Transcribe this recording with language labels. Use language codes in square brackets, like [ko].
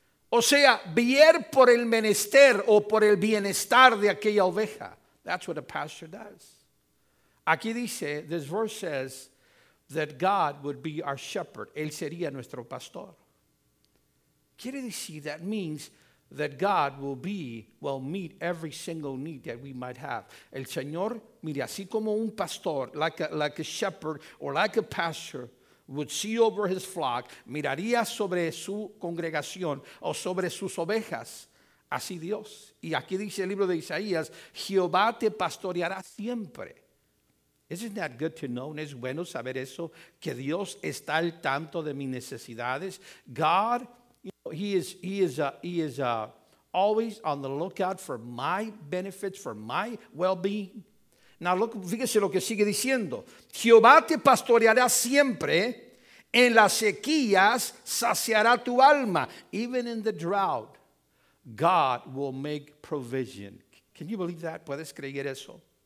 [es] O sea, ver por el menester o por el bienestar de aquella oveja. [en] That's what a pastor does. [es] Aquí dice, [en] this verse says that God would be our shepherd. [es] Él sería nuestro pastor. Quiere decir, [en] that means that God will be, will meet every single need that we might have. [es] El Señor, mire, así como un pastor, [en] like a shepherd or like a pastor, would see over his flock, [es] miraría sobre su congregación o sobre sus ovejas. Así Dios. Y aquí dice el libro de Isaías, Jehová te pastoreará siempre. [en] Isn't that good to know? [es] ¿No es bueno saber eso? Que Dios está al tanto de mis necesidades. [en] God, you know, he is always on the lookout for my benefits, for my well-being. Now look, [es] fíjese lo que sigue diciendo. Jehová te pastoreará siempre. En las sequías saciará tu alma. [en] Even in the drought, God will make provision. Can you believe that? [es] ¿Puedes creer eso?